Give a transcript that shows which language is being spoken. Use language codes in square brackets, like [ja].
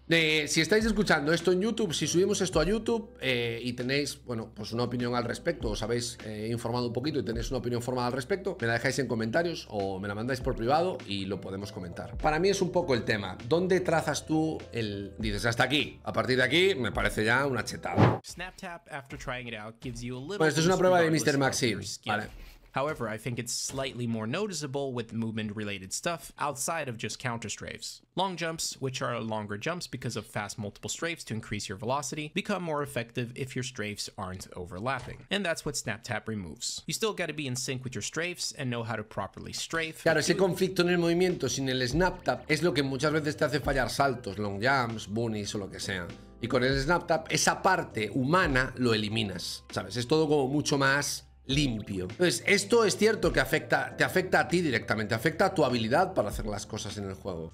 [es] Si estáis escuchando esto en YouTube, si subimos esto a YouTube y tenéis, bueno, pues una opinión al respecto, os habéis informado un poquito y tenéis una opinión formada al respecto, me la dejáis en comentarios o me la mandáis por privado y lo podemos comentar. Para mí es un poco el tema. ¿Dónde trazas tú el...? Dices, hasta aquí. A partir de aquí, me parece ya una chetada. [en] SnapTap, after trying it out, gives you a little... [es] Bueno, esto es una prueba de Mr. Maxi. Vale. [en] However, I think it's slightly more noticeable with movement-related stuff outside of just counter-strafes. Long jumps, which are longer jumps because of fast multiple strafes to increase your velocity, become more effective if your strafes aren't overlapping. And that's what SnapTap removes. You still gotta be in sync with your strafes and know how to properly strafe. [es] Claro, ese conflicto en el movimiento sin el SnapTap es lo que muchas veces te hace fallar saltos, long jumps, bunnies o lo que sea. Y con el SnapTap, esa parte humana lo eliminas, ¿sabes? Es todo como mucho más... limpio. Entonces, esto es cierto que te afecta a ti directamente, afecta a tu habilidad para hacer las cosas en el juego.